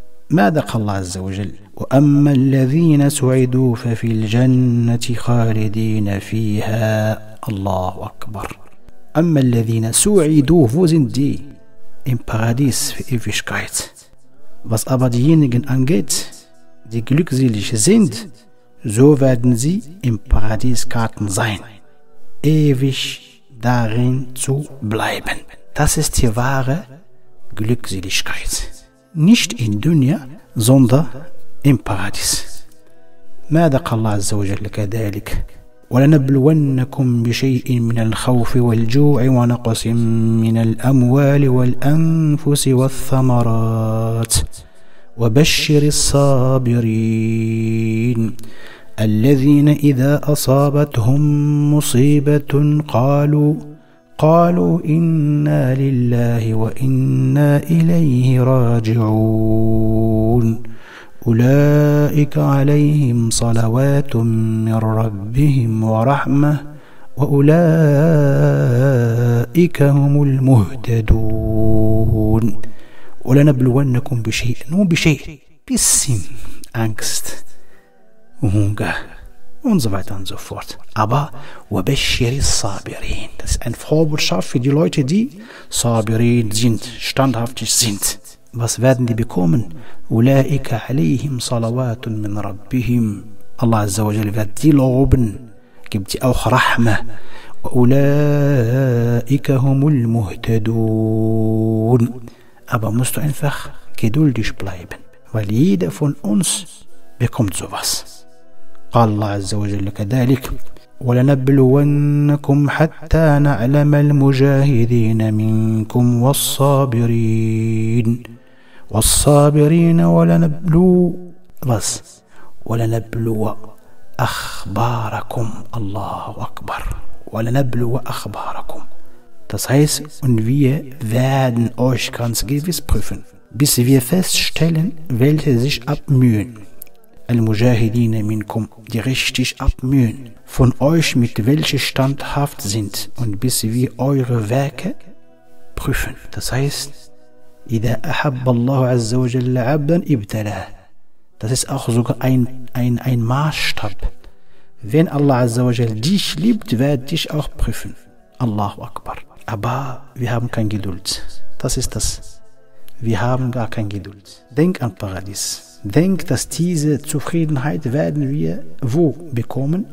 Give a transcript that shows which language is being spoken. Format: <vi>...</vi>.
<ar>ماذا قال الله عز وجل وأما الذين سعدوا</ar> <de>ففي الجنة خالدين فيها الله أكبر أما الذين سعدوا wo sind die im Paradies für Ewigkeit was aber diejenigen angeht die glückselig sind so werden sie im Paradiesgarten sein ewig darin zu bleiben Das ist die wahre Glückseligkeit. Nicht in Dunya, sondern im Paradies.</de> <ar>ماذا قال الله عز وجل كذلك؟ ولنبلونكم بشيء من الخوف والجوع ونقص من الأموال والأنفس والثمرات وبشر الصابرين الذين إذا أصابتهم مصيبة قالوا إنا لله وإنا إليه راجعون أولئك عليهم صلوات من ربهم ورحمة وأولئك هم المهتدون ولنبلونكم بشيء مو بشيء بسم أنكست وهونجا</ar> <de>Und so weiter und so fort. Aber,</de> <ar>وَبَشِّرِ الصَّابِرِينَ</ar> <de>Das ist eine Vorbotschaft für die Leute, die sabirin sind, standhaftig sind. Was werden die bekommen?</de> <ar>أُولَٰئِكَ عَلَيْهِمْ صَلَوَاتٌ مِّنْ رَبِّهِمْ</ar> <de>Allah Azza wa Jalla wird die loben, gibt die auch Rahme.</de> <ar>وَأُولَٰئِكَ هُمُ الْمُهْتَدُونَ</ar> <de>Aber musst du einfach geduldig bleiben, weil jeder von uns bekommt sowas.</de> <ar>قال الله عز وجل كذلك ولنبلونكم حتى نعلم المجاهدين منكم والصابرين والصابرين ولنبلو أخباركم. الله أكبر. ولنبلو أخباركم.</ar> <de>Das heißt, und wir werden euch ganz gewiss prüfen, bis wir feststellen, welche sich abmühen.</de> <ar>Al-Mujahidine minkum,</ar> <de>die richtig abmühen, von euch mit welche standhaft sind, und bis wir eure Werke prüfen. Das heißt,</de> <ar>إذا أحب الله عز وجل عبدا ابتلاه.</ar> <de>Das ist auch sogar ein Maßstab. Wenn Allah عز وجل dich liebt, wird dich auch prüfen. Allahu Akbar. Aber wir haben kein Geduld. Das ist das. Wir haben gar kein Geduld. Denk an Paradies. Denk, dass diese Zufriedenheit werden wir wo bekommen?</de>